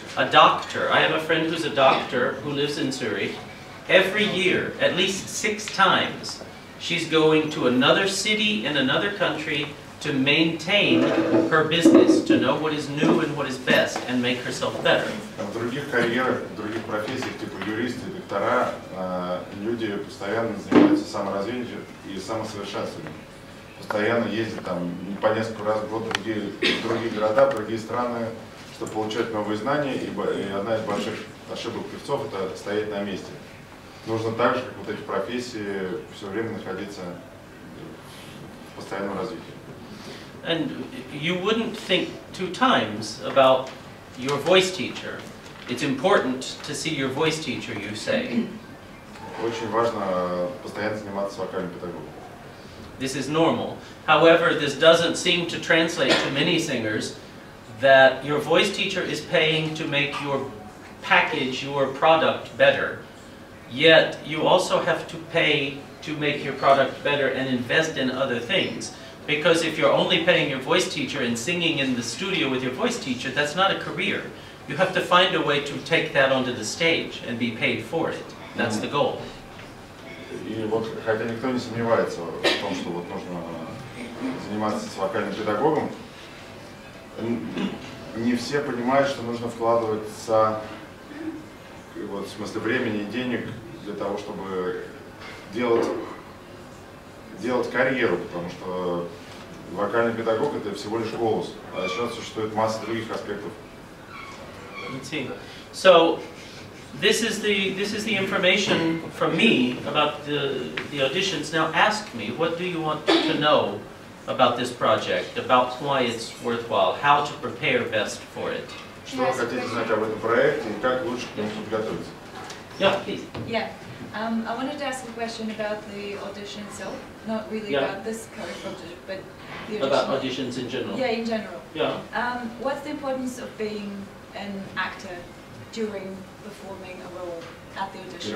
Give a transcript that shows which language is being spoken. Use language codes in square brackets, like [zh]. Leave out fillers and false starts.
[en] A doctor, I have a friend who's a doctor who lives in Zurich, every year, at least six times, she's going to another city in another country to maintain her business, to know what is new and what is best, and make herself better. [ru] В других карьерах, в других профессиях, типа юристы, доктора, люди постоянно занимаются саморазвитием и самосовершенствованием. Постоянно ездят там по несколько раз в год в другие города, в другие страны, чтобы получать новые знания, и одна из больших ошибок певцов – это стоять на месте. Нужно также, как вот эти профессии, все время находиться в постоянном развитии. [en] And you wouldn't think two times about your voice teacher. It's important to see your voice teacher, you say. [ru] Очень важно постоянно заниматься вокальным педагогом. [en] This is normal. However, this doesn't seem to translate to many singers that your voice teacher is paying to make your package, your product better. Yet, you also have to pay to make your product better and invest in other things. Because if you're only paying your voice teacher and singing in the studio with your voice teacher, that's not a career. You have to find a way to take that onto the stage and be paid for it. That's the goal. [ru] И вот, хотя никто не сомневается в том, что вот нужно заниматься с вокальным педагогом, не все понимают, что нужно вкладываться и вот, в смысле времени и денег для того, чтобы делать карьеру, потому что вокальный педагог – это всего лишь голос, а сейчас существует масса других аспектов. [en] So, this is the information from me about the auditions. Now ask me, what do you want to know about this project, about why it's worthwhile, how to prepare best for it? [ru] Что вы хотите знать об этом проекте и как лучше к нему подготовиться? [en] Yeah, please. Yeah, I wanted to ask a question about the audition itself, not really about this current project, but the audition. About auditions in general. Yeah, in general. Yeah. What's the importance of being an actor during performing a role at the audition?